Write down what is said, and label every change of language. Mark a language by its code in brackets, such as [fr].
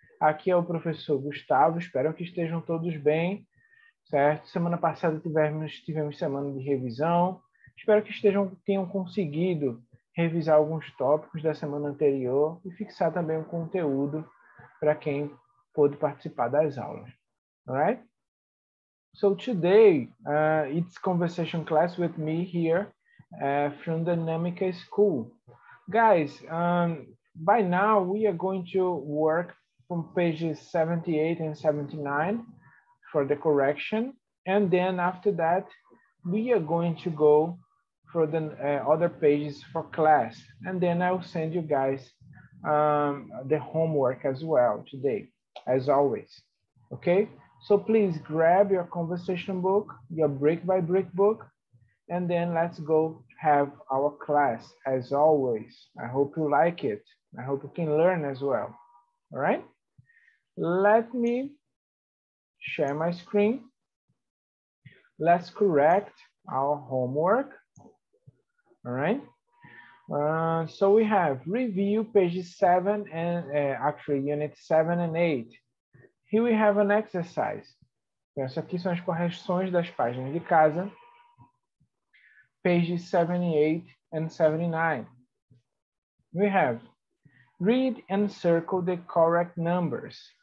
[pt] Aqui é o professor Gustavo, espero que estejam todos bem, certo? Semana passada tivemos semana de revisão. Espero que tenham conseguido revisar alguns tópicos da semana anterior e fixar também o conteúdo para quem pôde participar das aulas, all right? [en] So today, it's conversation class with me here from Dynamica School. Guys, by now we are going to work from pages 78 and 79 for the correction. And then after that, we are going to go for the other pages for class. And then I'll send you guys the homework as well today, as always. Okay, so please grab your conversation book, your brick by brick book, and then let's go have our class as always. I hope you like it. I hope you can learn as well. All right, let me share my screen. Let's correct our homework. All right. So we have review pages 7 and actually unit 7 and 8. Here we have an exercise. [pt] Essas aqui são as correções das páginas de casa. [en] Pages 78 and 79. We have read and circle the correct numbers.